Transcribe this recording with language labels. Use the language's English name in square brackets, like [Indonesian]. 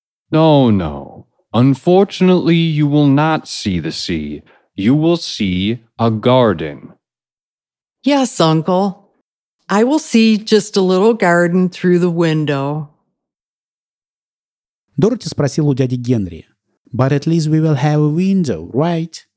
[English] No, no. Unfortunately, you will not see the sea. You will see a garden. Yes, Uncle. I will see just a little garden through the window. [Russian] Дороти спросила у дяди Генри. [English] But at least we will have a window, right?